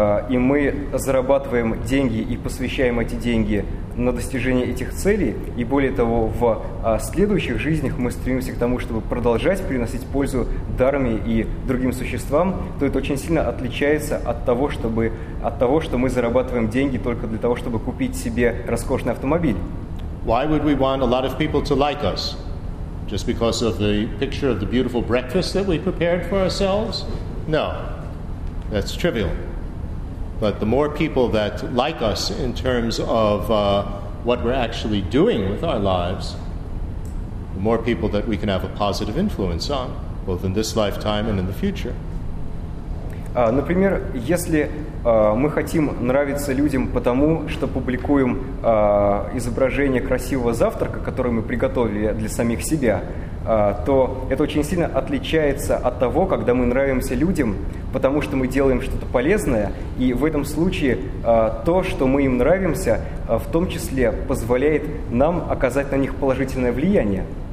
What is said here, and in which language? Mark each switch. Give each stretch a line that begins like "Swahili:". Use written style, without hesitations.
Russian: и мы зарабатываем деньги и посвящаем эти деньги на достижение этих целей, и более того, в следующих жизнях мы стремимся к тому, чтобы продолжать приносить пользу дарме и другим существам, то это очень сильно отличается от того, что мы зарабатываем деньги только для того, чтобы купить себе роскошный автомобиль.
English: Why would we want a lot of people to like us? Just because of the picture of the beautiful breakfast that we prepared for ourselves? No, that's trivial. But the more people that like us in terms of what we're actually doing with our lives, the more people that we can have a positive influence on, both in this lifetime and in the future.
Russian: Например, если мы хотим нравиться людям потому, что публикуем изображение красивого завтрака, который мы приготовили для самих себя, то это очень сильно отличается от того, когда мы нравимся людям, потому что мы делаем что-то полезное, и в этом случае то, что мы им нравимся, в том числе позволяет нам оказать на них положительное влияние.